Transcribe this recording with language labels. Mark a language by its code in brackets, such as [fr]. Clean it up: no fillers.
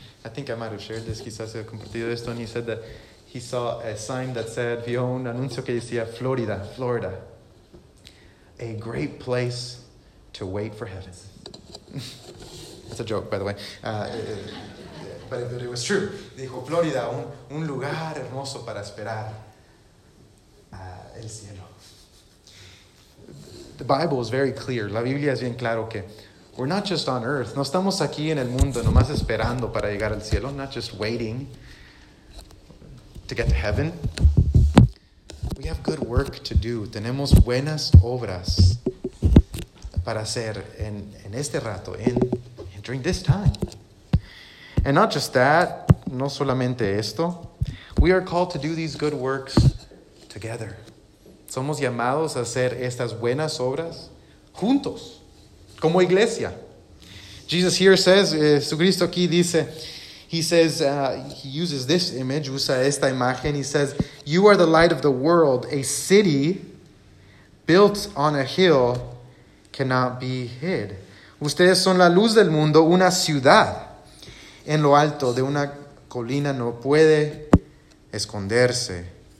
[en] I think I might have shared this, [es] quizás he compartido esto, [en] and he said that he saw a sign that said, [es] vio un anuncio que decía Florida, Florida, [en] a great place to wait for heaven. It's a joke, by the way. But it was true. [es] Dijo, Florida, un lugar hermoso para esperar el cielo. [en] The Bible is very clear. [es] La Biblia es bien claro que [en] we're not just on earth. [es] No estamos aquí en el mundo nomás esperando para llegar al cielo. [en] Not just waiting to get to heaven. We have good work to do. [es] Tenemos buenas obras para hacer en este rato, [en] and during this time. And not just that, [es] no solamente esto. [en] We are called to do these good works together. [es] Somos llamados a hacer estas buenas obras juntos, como iglesia. [en] Jesus here says, [es] Jesucristo aquí dice, [en] he says, he uses this image, [es] usa esta imagen, [en] he says, you are the light of the world, a city built on a hill cannot be hid. [es] Ustedes son la luz del mundo, una ciudad en lo alto de una colina no puede esconderse.